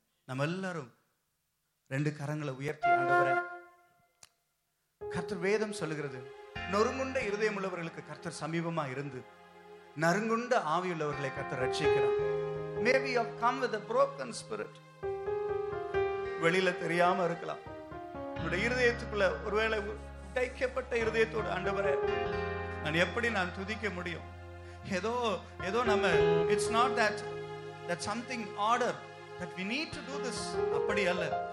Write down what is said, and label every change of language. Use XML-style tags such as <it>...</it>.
<ta>Nam ellarum ரெண்டு கரங்களை உயர்த்தி ஆண்டவரே, கர்த்தர் வேதம் சொல்லுகிறது நொறுங்குண்ட இருதயம் உள்ளவர்களுக்கு கர்த்தர் சமீபமா இருந்து நறுங்குண்ட ஆவியுள்ளவர்களை கர்த்தர் ரட்சிக்கிறார்.</ta> <en>Maybe you have come with a broken spirit.</en> <ta>வெளியில தெரியாம இருக்கலாம், உங்களுடைய இருதயத்துக்குள்ள ஒருவேளை உடைக்கப்பட்ட இருதயத்தோடு ஆண்டவரே நான் எப்படி நான் துதிக்க முடியும்? ஏதோ நம்ம</ta> <en>it's not that something order that we need to do this</en> <ta>அப்படி அல்ல.</ta>